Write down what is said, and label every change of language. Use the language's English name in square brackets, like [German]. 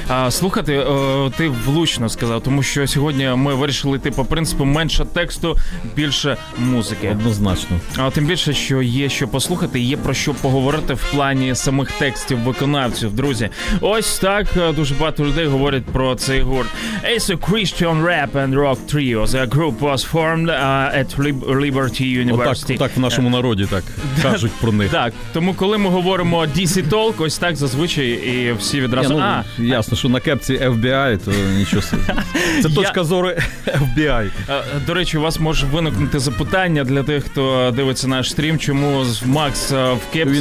[Ukrainian] Слухати, ти влучно сказав, тому що сьогодні ми вирішили йти по принципу менше тексту, більше музики. Однозначно. А тим більше, що є що послухати, є про що поговорити в плані самих текстів виконавців, друзі. Ось так дуже багато людей говорять про цей гурт. [English] It's a Christian rap and rock trio. The group was formed at Liberty University. [Ukrainian] Отак, так в нашому народі так кажуть про них. Так, тому коли ми говоримо DC Talk, ось так зазвичай і всі відразу... Я, ну, я ясно, що на кепці FBI, то нічого собі. Це точка зору FBI. До речі, у вас може виникнути запитання для тих, хто дивиться наш стрім, чому Макс в кепці.